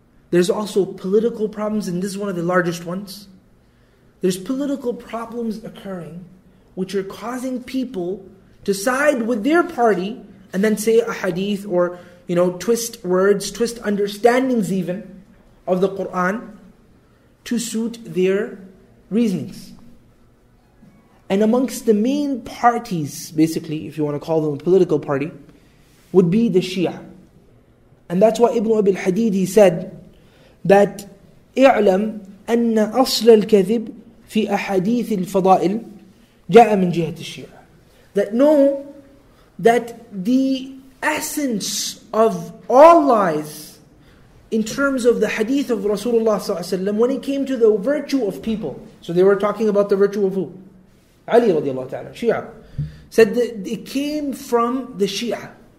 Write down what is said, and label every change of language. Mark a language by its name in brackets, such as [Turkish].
[English] There's also political problems, and this is one of the largest ones. There's political problems occurring which are causing people to side with their party and then say a hadith, or, you know, twist words, twist understandings even of the Quran to suit their reasonings. And amongst the main parties, basically, if you want to call them a political party, would be the Shia. And that's why Ibn Abi al-Hadid, he said that [Arabic] اعلم أن أصل الكذب في أحاديث الفضائل جاء من جهة الشيعة. [English] That know that the essence of all lies in terms of the hadith of Rasulullah صلى الله عليه وسلم, when it came to the virtue of people, so they were talking about the virtue of who? Ali رضي الله تعالى, Shia, said that it came from the Shia.